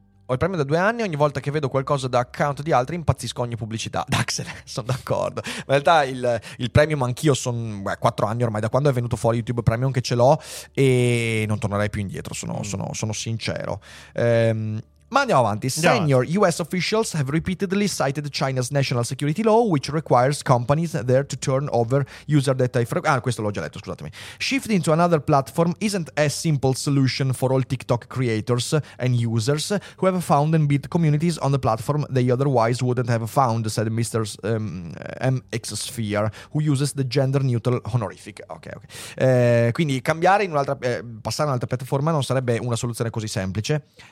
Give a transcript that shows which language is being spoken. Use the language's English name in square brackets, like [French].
[Italian] Ho il premio da 2 anni, ogni volta che vedo qualcosa da account di altri impazzisco ogni pubblicità. Daxel, sono d'accordo. In realtà il premium anch'io sono 4 anni ormai, da quando è venuto fuori YouTube Premium che ce l'ho, e non tornerei più indietro, sono sincero. Ma andiamo avanti. [English] Senior US officials have repeatedly cited China's national security law, which requires companies there to turn over user data. [Italian] Questo l'ho già letto, scusatemi. [English] Shifting to another platform isn't a simple solution for all TikTok creators and users who have found and built communities on the platform they otherwise wouldn't have found, said Mr. MX Sphere, who uses the gender neutral honorific. Ok. [Italian] Quindi cambiare in un'altra, passare in un'altra piattaforma non sarebbe una soluzione così semplice.